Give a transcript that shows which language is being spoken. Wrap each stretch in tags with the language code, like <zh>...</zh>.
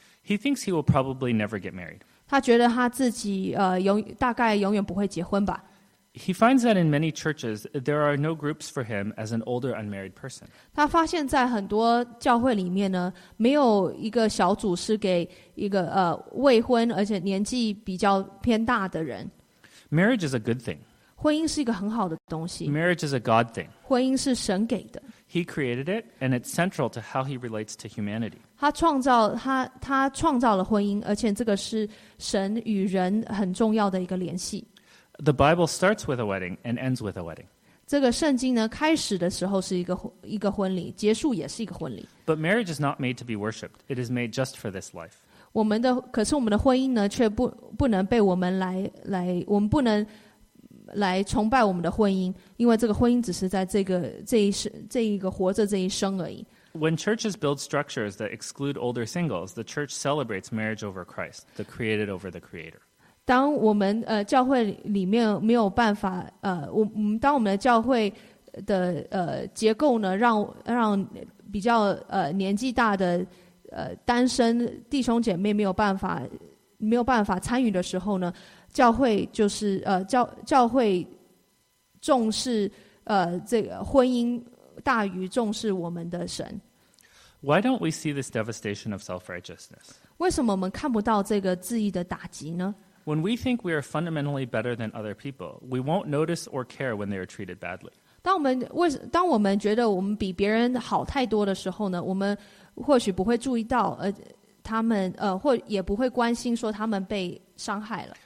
<en>He thinks he will probably never get married.</en> <zh>他觉得他自己大概永远不会结婚吧。</zh> <en>He finds that in many churches there are no groups for him as an older unmarried person.</en> <zh>他发现在很多教会里面呢，没有一个小组是给一个未婚而且年纪比较偏大的人。</zh> <en>Marriage is a good thing.</en> <zh>婚姻是一个很好的东西。</zh> <en>Marriage is a God thing.</en> <zh>婚姻是神给的。</zh> <en>He created it, and it's central to how he relates to humanity.</en> <zh>他创造了婚姻，而且这个是神与人很重要的一个联系。</zh> <en>The Bible starts with a wedding and ends with a wedding.</en> <zh>这个圣经呢，开始的时候是一个婚礼，结束也是一个婚礼。</zh> <en>But marriage is not made to be worshipped. It is made just for this life.</en> <zh>我们的婚姻呢，却不能被我们不能。来崇拜我们的婚姻，因为这个婚姻只是在这一个活着这一生而已。</zh> <en>When churches build structures that exclude older singles, the church celebrates marriage over Christ, the created over the creator.</en> <zh>当我们教会里面没有办法当我们的教会的结构呢，让比较年纪大的单身弟兄姐妹没有办法参与的时候呢。教会就是教会重视这个婚姻大于重视我们的神。</zh> <en>Why don't we see this devastation of self-righteousness?</en> <zh>为什么我们看不到这个自义的打击呢？</zh> <en>When we think we are fundamentally better than other people, we won't notice or care when they are treated badly.</en> <zh>当我们觉得我们比别人好太多的时候呢，我们或许不会注意到他们或也不会关心说他们被伤害了。</zh>